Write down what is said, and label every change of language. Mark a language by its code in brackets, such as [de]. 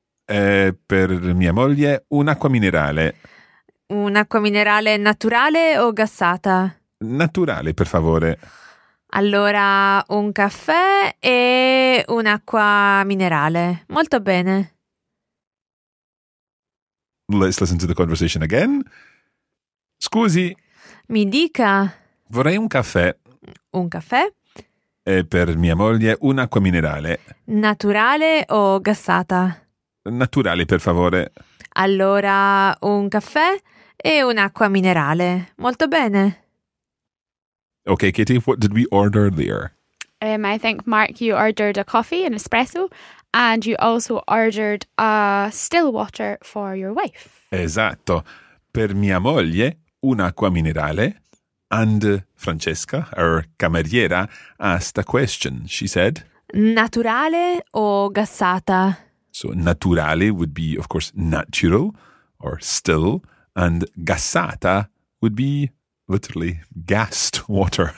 [it] Per mia moglie un'acqua minerale. Un'acqua minerale naturale o gassata? Naturale, per favore. Allora, un caffè e un'acqua minerale. Molto bene. [en] Let's listen to the conversation again. [it] Scusi. Mi dica. Vorrei un caffè. Un caffè. E per mia moglie un'acqua minerale. Naturale o gassata? Naturale, per favore. Allora, un caffè e un'acqua minerale. Molto bene. [en] Okay, Katie, what did we order there? I think, Mark, you ordered a coffee, an espresso, and you also ordered a still water for your wife. [it] Esatto. Per mia moglie, un'acqua minerale. [en] And Francesca, our cameriera, asked a question. She said... [it] Naturale o gassata? [en] So naturale would be, of course, natural or still, and gassata would be... Literally, gassed water.